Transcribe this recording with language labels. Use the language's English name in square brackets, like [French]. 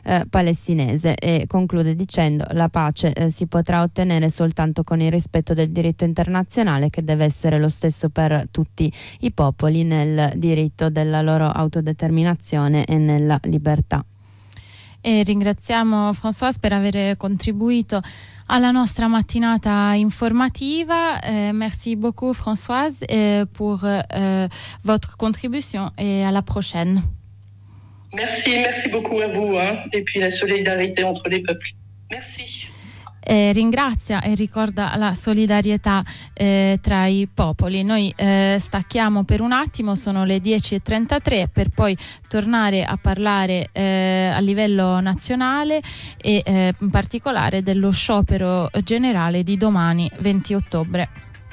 [Italian] palestinese, e conclude dicendo: la pace si potrà ottenere soltanto con il rispetto del diritto internazionale, che deve essere lo stesso per tutti i popoli, nel diritto della loro autodeterminazione e nella libertà. E ringraziamo François per aver contribuito alla nostra mattinata informativa. [French] Merci beaucoup Françoise pour votre contribution et à la prochaine. Merci, merci beaucoup à vous, hein, et puis la solidarité entre les peuples. Merci. [Italian] Ringrazia e ricorda la solidarietà tra i popoli. Noi stacchiamo per un attimo, sono le 10:33, per poi tornare a parlare a livello nazionale e in particolare dello sciopero generale di domani 20 ottobre.